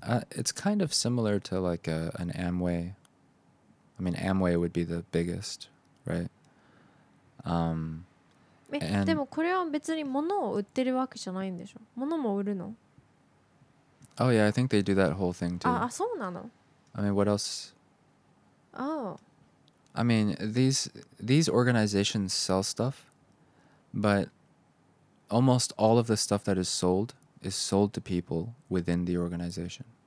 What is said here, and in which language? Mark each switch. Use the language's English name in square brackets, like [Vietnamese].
[English] It's kind of similar to like an Amway. I mean, Amway would be the biggest, right? [Japanese] でもこれは別に物を売ってるわけじゃないんでしょ。物も売るの？ [English] Oh yeah, I think they do that whole thing too. [Japanese] そうなの。 [English] I mean, what else? Oh. I mean, these organizations sell stuff, but almost all of the stuff that is sold to people within the organization.